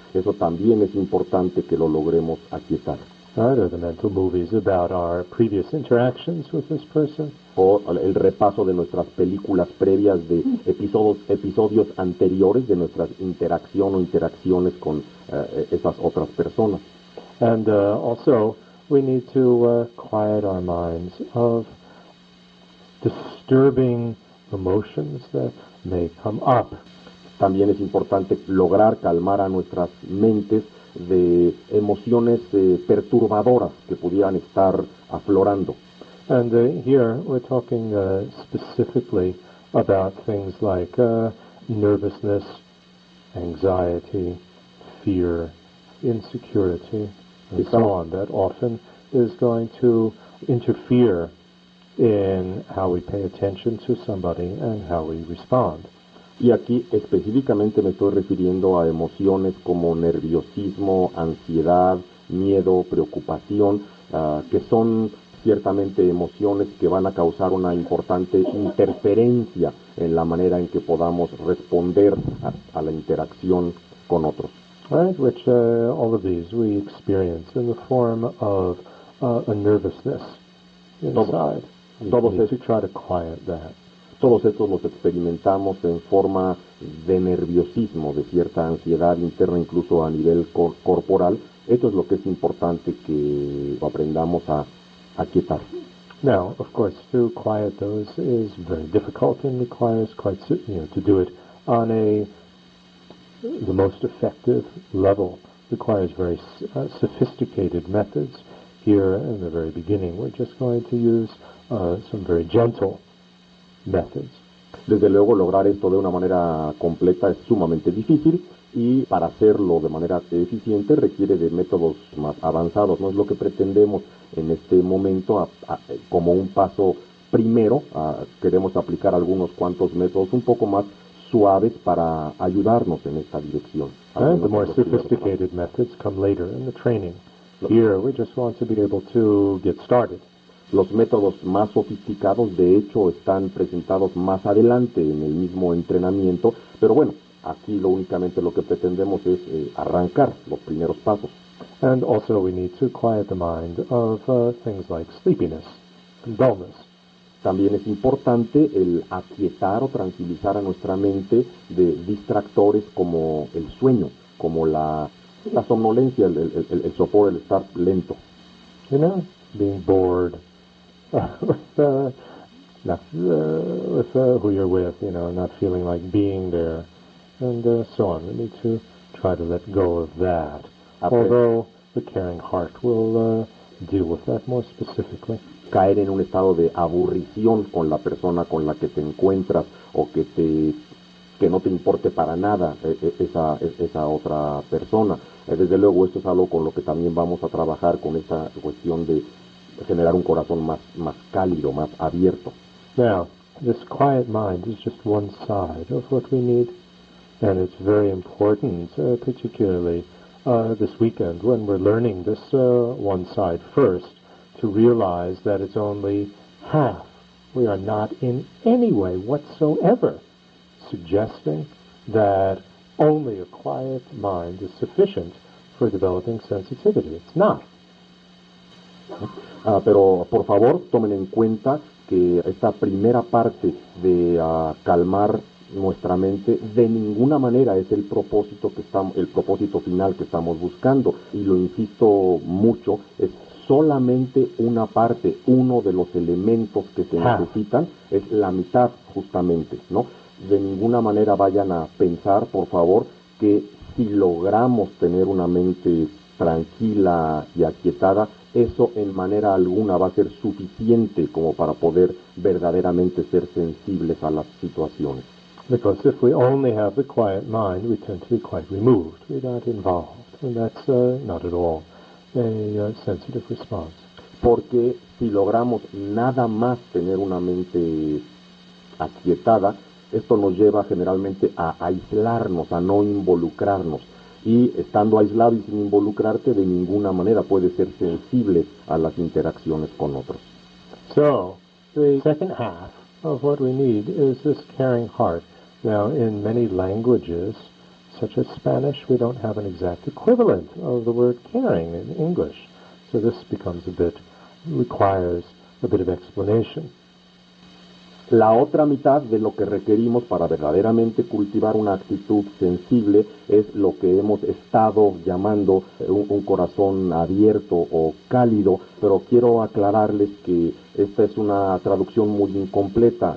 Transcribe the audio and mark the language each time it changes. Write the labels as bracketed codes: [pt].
[es] Eso también es importante que lo logremos aquietar. [en] Are the mental movies about our previous interactions with this person? [es] O el repaso de nuestras películas previas de episodios anteriores de nuestra interacción o interacciones con esas otras personas. [en] And also, we need to quiet our minds of disturbing emotions that may come up. [es] También es importante lograr calmar a nuestras mentes de emociones perturbadoras que pudieran estar aflorando. [en] And here we're talking specifically about things like nervousness, anxiety, fear, insecurity, and so on, that often is going to interfere in how we pay attention to somebody and how we respond. [es] Y aquí específicamente me estoy refiriendo a emociones como nerviosismo, ansiedad, miedo, preocupación, que son ciertamente emociones que van a causar una importante interferencia en la manera en que podamos responder a la interacción con otros. [en] Right, which all of these we experience in the form of a nervousness inside. [es] Todos [en] need to try to quiet that. [es] Todos estos los experimentamos en forma de nerviosismo, de cierta ansiedad interna, incluso a nivel corporal. Esto es lo que es importante que aprendamos a aquietar. [en] Now, of course, to quiet those is very difficult and requires quite, you know, to do it on the most effective level requires very sophisticated methods. Here, in the very beginning, we're just going to use some very gentle methods. [es] Desde luego, lograr esto de una manera completa es sumamente difícil, y para hacerlo de manera eficiente requiere de métodos más avanzados. No es lo que pretendemos en este momento, como un paso primero, queremos aplicar algunos cuantos métodos un poco más suaves para ayudarnos en esta dirección. [en] And the more sophisticated methods come later in the training. Here we just want to be able to get started. [es] Los métodos más sofisticados, de hecho, están presentados más adelante en el mismo entrenamiento, pero bueno, aquí lo únicamente lo que pretendemos es arrancar los primeros pasos. [en] And also we need to quiet the mind of things like sleepiness and dullness. [es] También es importante el aquietar o tranquilizar a nuestra mente de distractores como el sueño, como la somnolencia, el sopor, el estar lento. [en] You know, being bored with who you're with, you know, not feeling like being there, and so on. We need to try to let go of that. Although the caring heart will deal with that more specifically. [es] Caer en un estado de aburrición con la persona con la que te encuentras o que no te importe para nada esa otra persona. Desde luego, esto es algo con lo que también vamos a trabajar con esta cuestión de generar un corazón más cálido, más abierto. [en] Now, this quiet mind is just one side of what we need, and it's very important, particularly this weekend when we're learning this one side first, to realize that it's only half. We are not in any way whatsoever suggesting that only a quiet mind is sufficient for developing sensitivity. It's not. [es] Pero por favor tomen en cuenta que esta primera parte de calmar nuestra mente de ninguna manera es el propósito final que estamos buscando, y lo insisto mucho, es solamente una parte, uno de los elementos que se necesitan, es la mitad justamente, ¿no? De ninguna manera vayan a pensar, por favor, que si logramos tener una mente tranquila y aquietada, eso en manera alguna va a ser suficiente como para poder verdaderamente ser sensibles a las situaciones. [en] Because if we only have the quiet mind, we tend to be quite removed. We're not involved. And that's not at all a sensitive response. [es] Porque si logramos nada más tener una mente aquietada, esto nos lleva generalmente a aislarnos, a no involucrarnos. Y estando aislado y sin involucrarte, de ninguna manera puedes ser sensible a las interacciones con otros. [en] So, the second half of what we need is this caring heart. Now, in many languages, such as Spanish, we don't have an exact equivalent of the word caring in English. So this becomes requires a bit of explanation. [es] La otra mitad de lo que requerimos para verdaderamente cultivar una actitud sensible es lo que hemos estado llamando un corazón abierto o cálido, pero quiero aclararles que esta es una traducción muy incompleta.